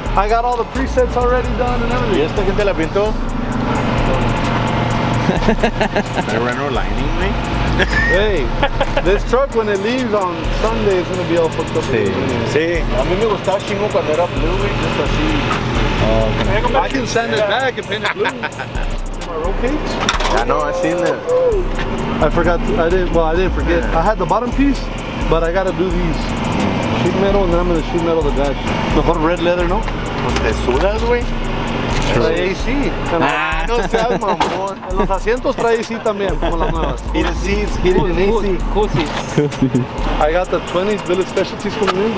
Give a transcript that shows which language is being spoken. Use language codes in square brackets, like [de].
[en] I got all the presets already done and everything. [es] ¿Y esta gente la pintó? [en] I ran out of lightning, man. Hey, this truck when it leaves on Sunday is gonna be all fucked up. [es] Sí. Sí. A mí me gustaba chingo cuando era blue, just así. [en] I can send it back and paint it blue. Rope cage? I know, I seen that. I forgot, I didn't forget. Yeah. I had the bottom piece, but I gotta do these. Sheet metal, and then I'm gonna sheet metal the back. The whole red leather, no? The sudas, wey? [es] Trae AC. No seas mamón. Los asientos trae AC también, como las nuevas. [en] Heated seats, heated and AC. Cozy. I got the 20s Billet Specialties coming in.